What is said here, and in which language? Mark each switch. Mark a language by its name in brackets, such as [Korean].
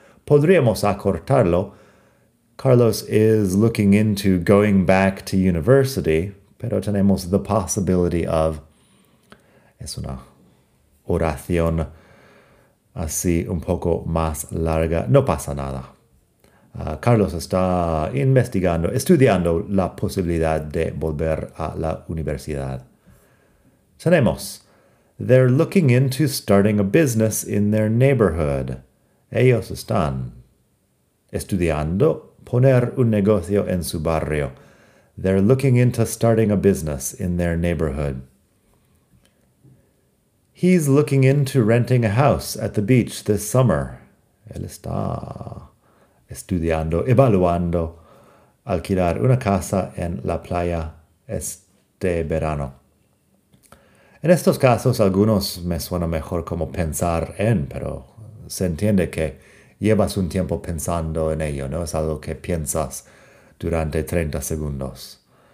[Spanish] Podríamos acortarlo. [English] Carlos is looking into going back to university, [Spanish] pero tenemos [English] the possibility of. [Spanish] Es una oración así un poco más larga. No pasa nada. Carlos está investigando, estudiando la posibilidad de volver a la universidad. [English] Tenemos, they're looking into starting a business in their neighborhood. [Spanish] Ellos están estudiando poner un negocio en su barrio. [English] They're looking into starting a business in their neighborhood. He's looking into renting a house at the beach this summer. [Spanish] Él está estudiando, evaluando alquilar una casa en la playa este verano. En estos casos, algunos me suena mejor como pensar en, pero se entiende que llevas un tiempo pensando en ello, ¿no? Es algo que piensas durante 30 segundos.